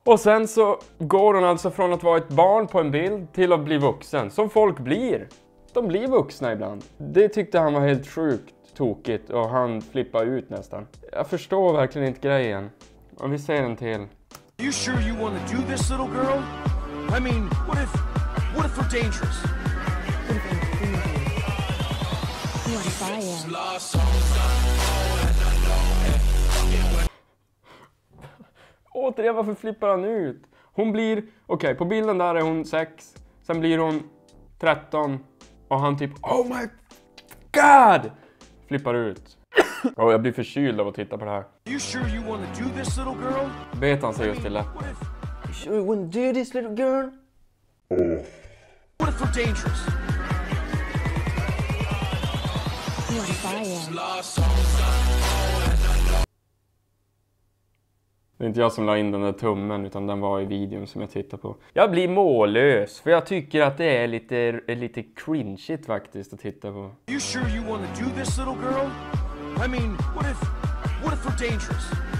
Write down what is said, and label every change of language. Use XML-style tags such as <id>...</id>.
<sv>Och sen så går hon alltså från att vara ett barn på en bild till att bli vuxen. Som folk blir. De blir vuxna ibland. Det tyckte han var helt sjukt tokigt och han flippade ut nästan. Jag förstår verkligen inte grejen. Om vi säger den till.</sv> <en>You sure you wanna do this little girl? I mean, what if we're dangerous?</en> <sv>Återigen, varför flippar han ut? Hon blir, okej, på bilden där är hon 6. Sen blir hon 13. Och han typ,</sv> <en>oh my god!</en> <sv>Flippar ut. Och jag blir förkyld av att titta på det här.</sv> <en>You sure you wanna do this little girl?</en> <sv>Bet han sig just till det.</sv> <en>You sure you wanna do this little girl? Oh. What if we're dangerous?</en> <sv>Det är inte jag som la in den där tummen, utan den var i videon som jag tittar på. Jag blir mållös, för jag tycker att det är lite cringigt faktiskt att titta på.</sv> <en>You sure you wanna do this little girl? I mean, what if we're dangerous?</en>